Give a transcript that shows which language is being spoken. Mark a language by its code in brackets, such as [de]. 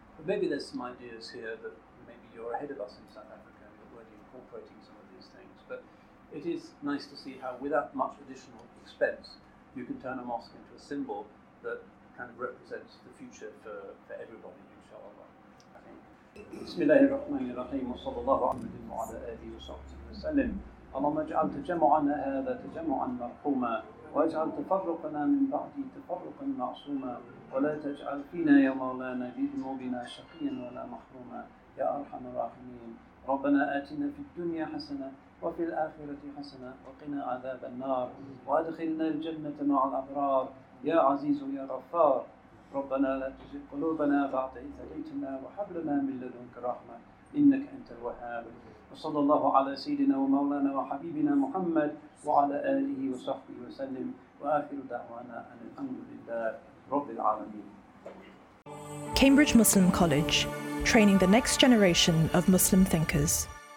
[en] But maybe there's some ideas here that maybe you're ahead of us in South Africa and you're already incorporating some of these things. But it is nice to see how, without much additional expense, you can turn a mosque into a symbol that kind of represents the future for everybody, inshallah. [ar] بسم الله الرحمن الرحيم وصلى الله على محمد وعلى آله وصحبه وسلم اللهم اجعل تجمعنا هذا تجمعا مرحوما واجعل تفرقنا من بعده تفرقا معصوما ولا تجعل فينا يا مولانا بذنوبنا شقيا ولا محروما يا أرحم الراحمين ربنا آتنا في الدنيا حسنة وفي الآخرة حسنة وقنا عذاب النار وادخلنا الجنة مع الأبرار يا عزيز يا غفار ربنا لا تزغ قلوبنا بعد إذ هديتنا وهب لنا من لدنك رحمة إنك أنت الوهاب وصلى الله على سيدنا ومولانا وحبيبنا محمد وعلى آله وصحبه وسلم وآخر دعوانا أن الحمد لله رب العالمين. [en] Cambridge Muslim College, training the next generation of Muslim thinkers.